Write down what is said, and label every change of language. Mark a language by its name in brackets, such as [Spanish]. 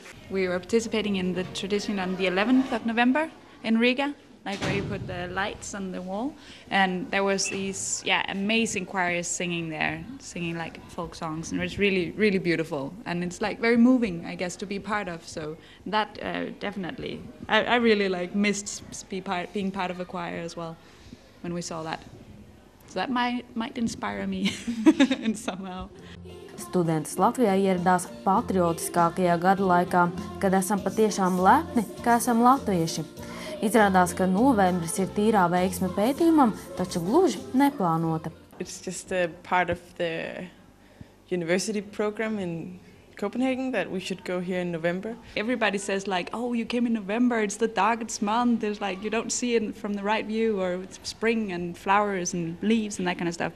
[English] We were participating in the tradition on the 11th of November in Riga, like where you put the lights on the wall, and there was these, yeah, amazing choirs singing there, singing like folk songs, and it was really, really beautiful, and it's like very moving, I guess, to be part of. So that definitely, I really like missed being part of a choir as well when we saw that. So that might inspire me in somehow. [Latvian] Students Latvijā ieradās patriotiskākajā gada laikā, kad esam patiešām lepni, ka esam latvieši. Izrādās, ka novembris ir tīrā veiksme pētījumam, taču gluži neplānota. [English] It's just a part of the university program in Copenhagen that we should go here in November. Everybody says like, oh, you came in November, it's the darkest month, it's like you don't see it from the right view, or it's spring and flowers and leaves and that kind of stuff.